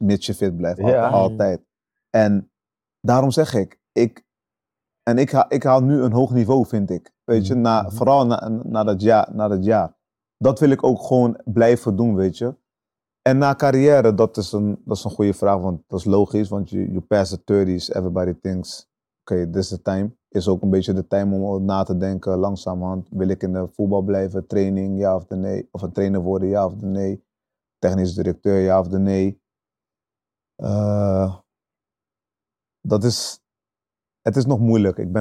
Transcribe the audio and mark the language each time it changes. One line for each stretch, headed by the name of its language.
Dutch: Mits je fit blijft, altijd. En daarom zeg ik, ik haal nu een hoog niveau, vind ik. Weet je, vooral na dat jaar. Dat wil ik ook gewoon blijven doen, weet je. En na carrière, dat is een goede vraag, want dat is logisch.
English: Want you pass the 30s, everybody thinks, okay, this is the time.
Dutch: Is ook een beetje de time om na te denken, langzamerhand. Wil ik in de voetbal blijven, training, ja of nee? Of een trainer worden, ja of nee? Technisch directeur, ja of nee? Dat is... Het is nog moeilijk.